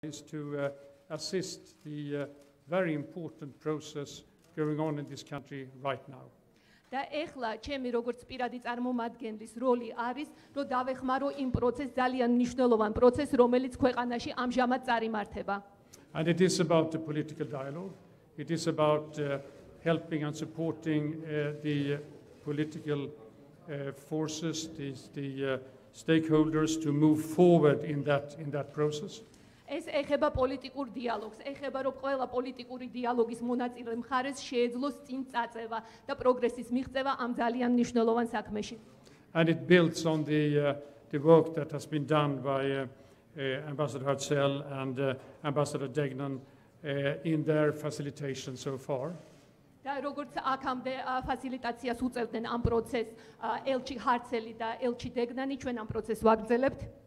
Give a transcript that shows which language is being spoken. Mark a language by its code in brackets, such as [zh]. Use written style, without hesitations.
[en] is to assist the very important process going on in this country right now. [ka] და ეხლა ჩემი როგორც პირადი წარმომადგენლის როლი არის, რომ დავეხმარო იმ პროცესს, ძალიან მნიშვნელოვან პროცესს, რომელიც ქვეყანაში ამჟამად წარიმართება. [en] And it is about the political dialogue. It is about helping and supporting the political forces, the stakeholders to move forward in that process. [ka] ეს ეხება პოლიტიკურ დიალოგს, ეხება რომ ყველა პოლიტიკური დიალოგის მონაწილე მხარეს შეეძლოს წინ წაწევა და პროგრესის მიღწევა ამ ძალიან მნიშვნელოვან საქმეში. [en] And it builds on the work that has been done by Ambassador Hartzell and Ambassador Degnan in their facilitation so far. [ka] და როგორც აქამდე ფასილიტაციას უწევდნენ ამ პროცესს ელჩი ჰარცელი და ელჩი დეგნანი, ჩვენ ამ პროცესს ვაგრძელებთ.